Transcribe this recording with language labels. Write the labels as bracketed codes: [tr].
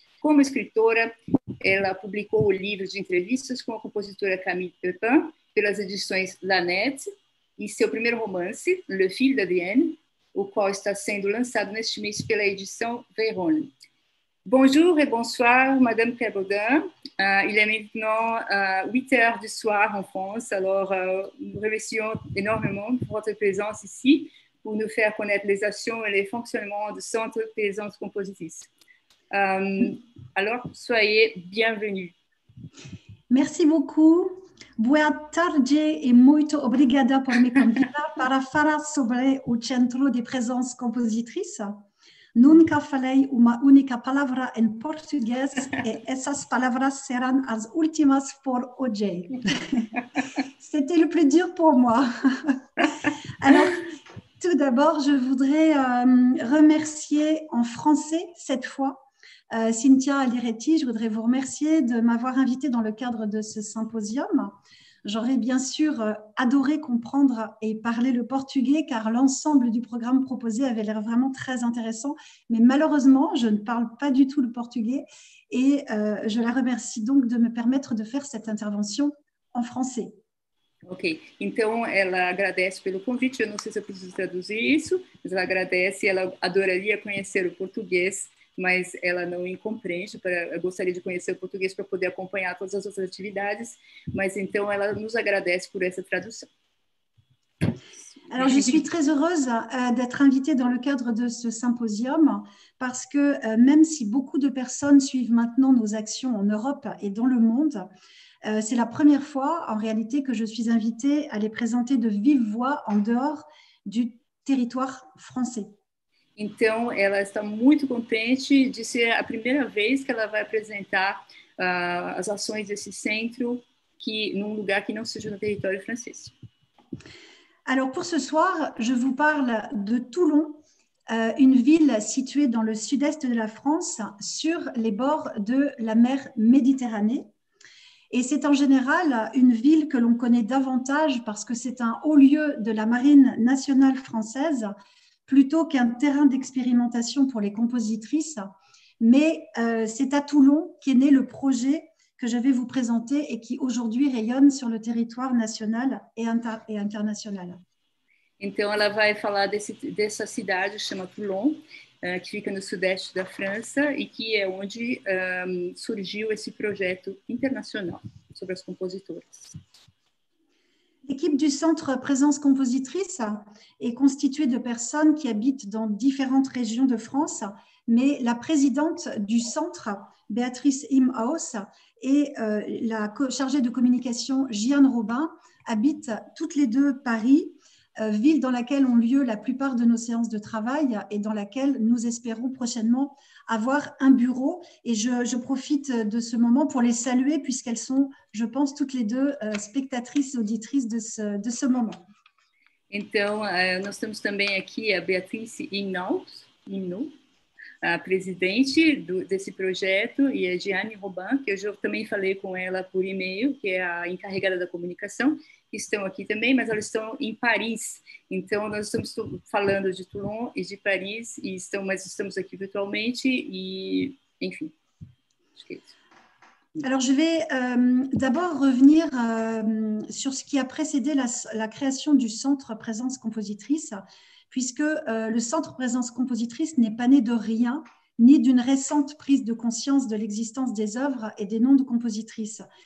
[pt] Como escritora, ela publicou o livro de entrevistas com a compositora Camille Pepin, pelas edições Lanet, e seu primeiro romance, Le Fils d'Adrienne, o qual está sendo lançado neste mês pela edição Veyron. [fr] Bonjour et bonsoir, Madame Claire Baudin. Il est maintenant 8 heures du soir en France, alors nous remercions énormément pour votre présence ici pour nous faire connaître les actions et les fonctionnements du Centre Présences Compositrices. Alors, soyez bienvenue. Merci beaucoup. [pt] Boa tarde e muito obrigada por me convidar para falar sobre o Centro de Presença Compositrices. Nunca falei uma única palavra em português e essas palavras serão as últimas por hoje. [fr] C'était le plus dur pour moi. Alors, tout d'abord, je voudrais remercier en français cette fois. Cynthia Aliretti, je voudrais vous remercier de m'avoir invitée dans le cadre de ce symposium. J'aurais bien sûr adoré comprendre et parler le portugais car l'ensemble du programme proposé avait l'air vraiment très intéressant. Mais malheureusement, je ne parle pas du tout le portugais et je la remercie donc de me permettre de faire cette intervention en français. [pt] Ok, então ela agradece pelo convite. Eu não sei se eu preciso traduzir isso, mas ela agradece. Ela adoraria conhecer o português, mas ela não compreende. Gostaria de conhecer o português para poder acompanhar todas as outras atividades. Mas então ela nos agradece por essa tradução. [fr] Alors, je suis très heureuse d'être invitée dans le cadre de ce symposium parce que même si beaucoup de personnes suivent maintenant nos actions en Europe et dans le monde, c'est la première fois en réalité que je suis invitée à les présenter de vive voix en dehors du territoire français. [pt] Então, ela está muito contente de ser a primeira vez que ela vai apresentar as ações desse centro que num lugar que não seja no território francês. [fr] Alors pour ce soir, je vous parle de Toulon, une ville située dans le sud-est de la France, sur les bords de la mer Méditerranée. Et c'est en général une ville que l'on connaît davantage parce que c'est un haut lieu de la marine nationale française, plutôt qu'un terrain d'expérimentation pour les compositrices. Mais c'est à Toulon qu'est né le projet que je vais vous présenter et qui aujourd'hui rayonne sur le territoire national et, international. [pt] Então, ela vai falar dessa cidade, chama Toulon, que fica no sudeste da França e que é onde surgiu esse projeto internacional sobre as compositoras. [fr] L'équipe du centre Présence Compositrice est constituée de personnes qui habitent dans différentes régions de France, mais la présidente du centre, Béatrice Imhaus, et la chargée de communication, Jeanne Robin, habitent toutes les deux Paris, ville dans laquelle ont lieu la plupart de nos séances de travail et dans laquelle nous espérons prochainement avoir un bureau. Et je profite de ce moment pour les saluer puisqu'elles sont, je pense, toutes les deux spectatrices et auditrices de ce moment. [pt] Então, nós temos também aqui a Béatrice Imhaus, a presidente desse projeto, e a Jeanne Robin, que eu já também falei com ela por e-mail, que é a encarregada da comunicação, que estão aqui também, mas elas estão em Paris. Então, nós estamos falando de Toulon e de Paris, mas estamos aqui virtualmente, e enfim, acho que é isso. [fr] Alors, je vais d'abord revenir sur ce qui a précédé la création du Centre Présence Compositrice, puisque le Centre Présence Compositrice n'est pas né de rien, ni d'une récente prise de conscience de l'existence des œuvres et des noms de compositrices.